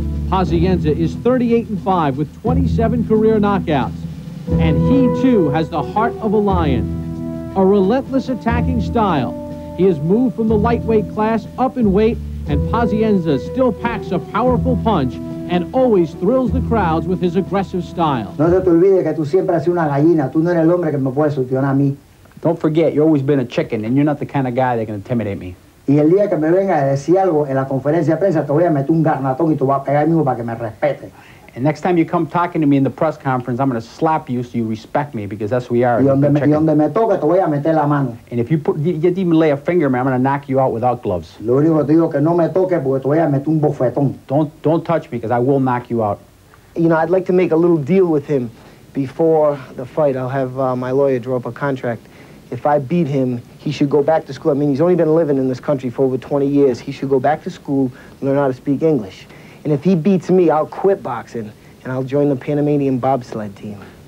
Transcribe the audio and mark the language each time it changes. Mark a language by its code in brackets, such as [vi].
[en] Pazienza is 38-5 with 27 career knockouts. And he, too, has the heart of a lion. A relentless attacking style. He has moved from the lightweight class up in weight, and Pazienza still packs a powerful punch and always thrills the crowds with his aggressive style. [es] No se te olvide que tú siempre has sido una gallina. Tú no eres el hombre que me puede solucionar a mí. [en] Don't forget, you've always been a chicken, and you're not the kind of guy that can intimidate me. [es] Y el día que me venga a decir algo en la conferencia de prensa, te voy a meter un garnatón y tú vas a pegar mismo para que me respete. [en] And next time you come talking to me in the press conference, I'm going to slap you so you respect me, because that's who we are. [es] Y donde me toque, te voy a meter la mano. [en] And if you put, you didn't even lay a finger, man, I'm going to knock you out without gloves. [es] Lo único que digo que no me toque porque te voy a meter un bofetón. [en] Don't touch me, because I will knock you out. You know, I'd like to make a little deal with him before the fight. I'll have my lawyer draw up a contract. If I beat him, he should go back to school. I mean, he's only been living in this country for over 20 years. He should go back to school and learn how to speak English. And if he beats me, I'll quit boxing, and I'll join the Panamanian bobsled team.